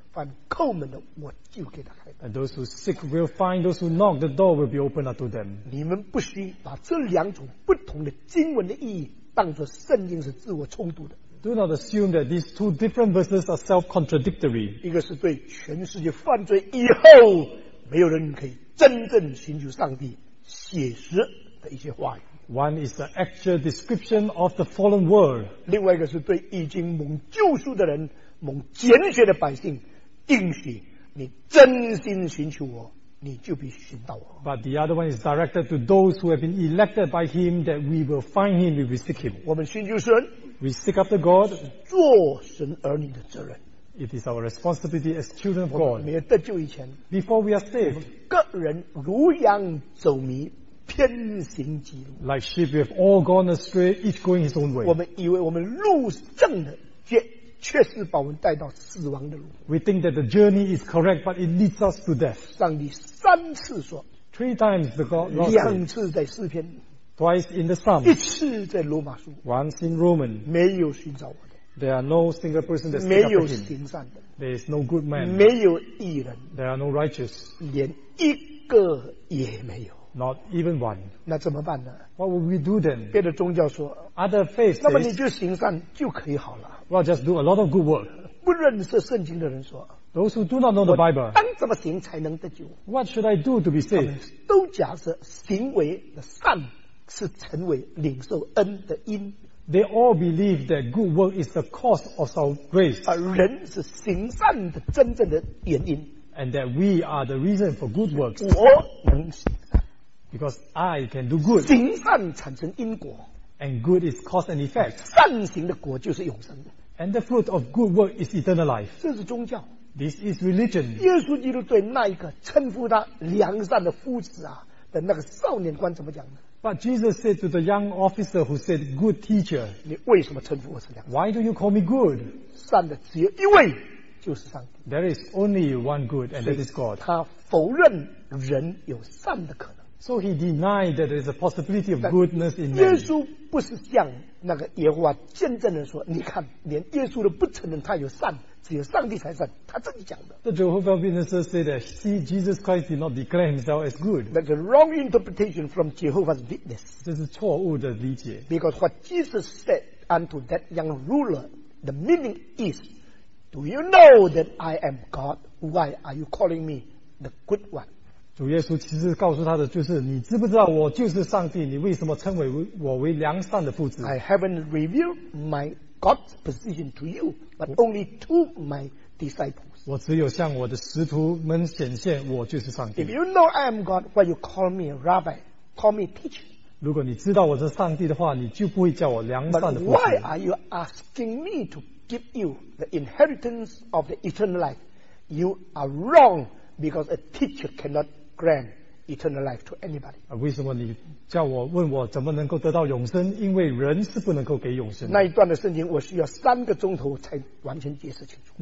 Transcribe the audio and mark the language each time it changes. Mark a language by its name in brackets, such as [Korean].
[Chinese] 凡叩门的，我就给他开门。 [English] And those who seek will find; those who knock, the door will be opened unto them. [Chinese] 你们不需把这两种不同的经文的意义当作圣经是自我冲突的。 [English] Do not assume that these two different verses are self-contradictory. [Chinese] 一个是对全世界犯罪以后没有人可以真正寻求上帝写实的一些话语。 [English] One is the actual description of the fallen world. [Chinese] 另外一个是对已经蒙救赎的人、蒙拣选的百姓。应许你真心寻求我，你就必寻到我。 [English] But the other one is directed to those who have been elected by Him, that we will find Him, we will seek Him. [Chinese] 我们寻求神 [English] ，we seek after God， [Chinese] 做神儿女的责任。 [English] It is our responsibility as children of God. [Chinese] 没有得救以前 [English] ，before we are saved， [Chinese] 我们个人如羊走迷，偏行己路。 [English] Like sheep, we have all gone astray, each going his own way. [Chinese] 我们以为我们路正的，却是把我们带到死亡的路。 [English] We think that the journey is correct, but it leads us to death. [Chinese] 上帝三次说 [English] ，Three times the God said. [Chinese] 两次在诗篇 [English] ，Twice in the Psalms. [Chinese] 一次在罗马书 [English] ，Once in Roman. [Chinese] 没有寻找我的。 [English] There are no single person that [Chinese] 没有行善的。 [English] There is no good man. [Chinese] 没有义人。 [English] There are no righteous. [Chinese] 连一个也没有。 [English] Not even one. [Chinese] 那怎么办呢 [English] ？What would we do then? [Chinese] 别的宗教说 [English] ，Other faiths. [Chinese] 那么你就行善就可以好了。 [English] Well, just do a lot of good work. [Chinese] 不认识圣经的人说 [English] ，Those who do not know the Bible. [Chinese] 我当怎么行才能得救 [English] ？What should I do to be saved? [Chinese] 他们都假设行为的善是成为领受恩的因。 [English] They all believe that good work is the cause of our grace. [Chinese] 而人是行善的真正的原因。 [English] And that we are the reason for good works. [Chinese] 我能行善 [English] ，because I can do good. [Chinese] 行善产生因果。 [English] And good is cause and effect. [Chinese] 善行的果就是永生。 [English] And the fruit of good work is eternal life. [Chinese] 这是宗教。 [English] This is religion. [Chinese] 耶稣基督对那一个称呼他良善的夫子啊的那个少年官怎么讲呢？ [English] But Jesus said to the young officer who said, good teacher, [Chinese] 你为什么称呼我是良善？ [English] Why do you call me good? [Chinese] 善的只有一位，就是上帝。 [English] There is only one good, and that is God. [Chinese] 他否认人有善的可能。 [English] So he denied that there is a possibility of goodness in man. [Chinese] 耶稣不是像那个耶和华见证人说，你看，连耶稣都不承认他有善，只有上帝才善，他自己讲的。 [English] The Jehovah's Witnesses say that see, Jesus Christ did not declare himself as good. That's a wrong interpretation from Jehovah's Witness. [Chinese] 这是错误的理解。 [English] Because what Jesus said unto that young ruler, the meaning is, do you know that I am God? Why are you calling me the good one? [Chinese] 主耶稣其实告诉他的就是，你知不知道我就是上帝？你为什么称为我为良善的父子 [English] ？I haven't revealed my God's position to you, but only to my disciples. [Chinese] 我只有向我的使徒们显现，我就是上帝。 [English] If you know I am God, why you call me a rabbi? Call me teacher. [Chinese] 如果你知道我是上帝的话，你就不会叫我良善的父子。 [English] But why are you asking me to give you the inheritance of the eternal life? You are wrong because a teacher cannot grant eternal life to anybody. [Chinese] 为什么你叫我问我怎么能够得到永生？因为人是不能够给永生的。那一段的圣经我需要三个钟头才完全解释清楚。